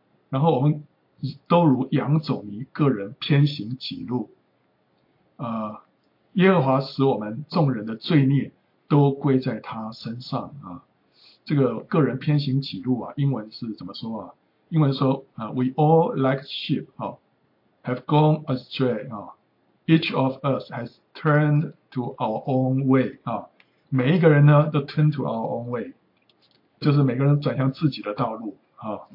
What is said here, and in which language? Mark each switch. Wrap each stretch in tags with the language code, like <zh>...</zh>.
<zh>然后我们都如羊走迷，个人偏行己路。耶和华使我们众人的罪孽都归在他身上啊。这个个人偏行己路啊，英文是怎么说啊？英文说啊</zh> <en>，We all like sheep 啊 ，have gone astray 啊 ，Each of us has turned to our own way 啊。</en> <zh>每一个人呢都</zh> <en>turn to our own way，</en> <zh>就是每个人转向自己的道路啊。</zh>